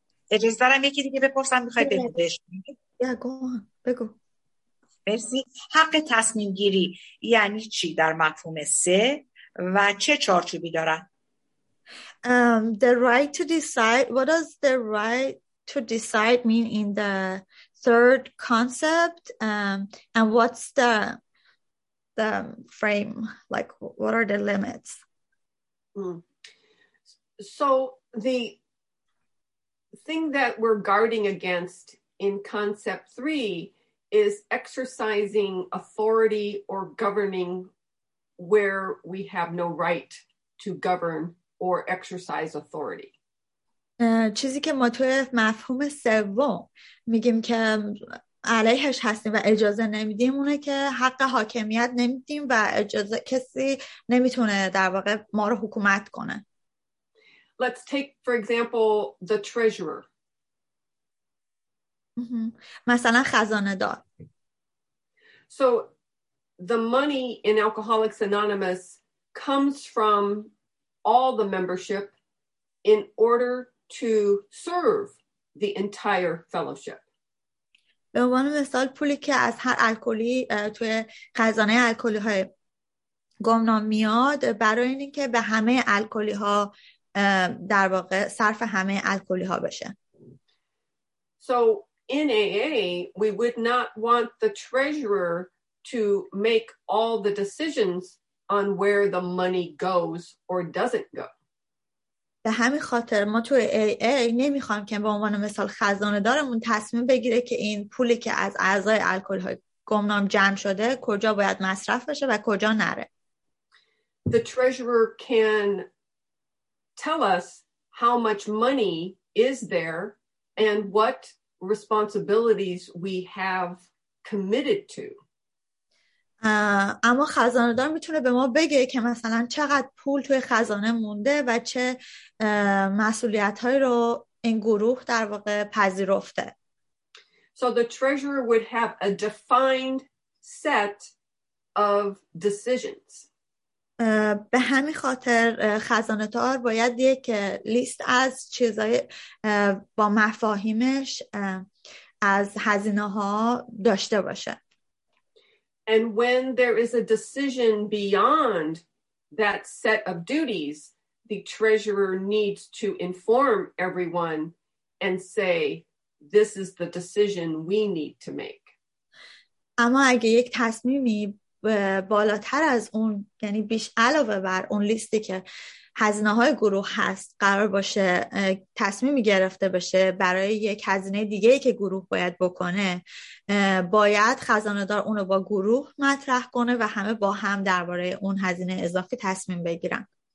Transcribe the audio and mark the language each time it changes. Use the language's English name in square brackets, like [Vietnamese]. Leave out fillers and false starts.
[Persian] اجازه دارم یکی دیگه بپرسم؟ میخوای بپرسیش؟ بگو. مرسی. حق تصمیم گیری یعنی چی در مفهوم سه و چه چارچوبی دارن؟ [English] The right to decide. What does the right to decide mean in the third concept? And what's the frame, like what are the limits? So the thing that we're guarding against in concept three is exercising authority or governing where we have no right to govern or exercise authority. [Persian] چیزی که ما توی مفهوم سوم میگیم که علیهش هستیم و اجازه نمیدیم اونه که حق حاکمیت نمیدیم و اجازه کسی نمیتونه در واقع ما رو حکومت کنه. [English] Let's take for example the treasurer. [Persian] مثلا خزانه دار. [English] So the money in Alcoholics Anonymous comes from all the membership in order to serve the entire fellowship. [Persian] به عنوان مثال پولی که از هر الکلی توی خزانه الکلی های گمنام میاد برای اینکه به همه الکلی ها در واقع صرف همه الکلی ها بشه. [English] So in AA, we would not want the treasurer to make all the decisions on where the money goes or doesn't go. [Persian] به همین خاطر ما تو AA نمیخوام که به عنوان مثال خزانه دارمون تصمیم بگیره که این پولی که از اعضای الکل های گمنام جمع شده کجا باید مصرف بشه و کجا نره. [English] The treasurer can tell us how much money is there and what responsibilities we have committed to. [Persian] اما خزانه دار میتونه به ما بگه که مثلا چقدر پول توی خزانه مونده و چه مسئولیت‌هایی رو این گروه در واقع پذیرفته. [English] So the treasurer would have a defined set of decisions. [Persian] به همین خاطر خزانه دار باید یک لیست از چیزای با مفاهیمش از هزینه‌ها داشته باشه. [English] And when there is a decision beyond that set of duties, the treasurer needs to inform everyone and say, this is the decision we need to make. [Persian] اما اگه یک تصمیمی بالاتر از اون، یعنی بیش علاوه بر اون لیستی که هزینه های گروه هست قرار باشه تصمیمی گرفته بشه برای یک هزینه دیگه که گروه باید بکنه، باید خزانه دار اونو با گروه مطرح کنه و همه با هم درباره اون هزینه اضافی تصمیم بگیرن.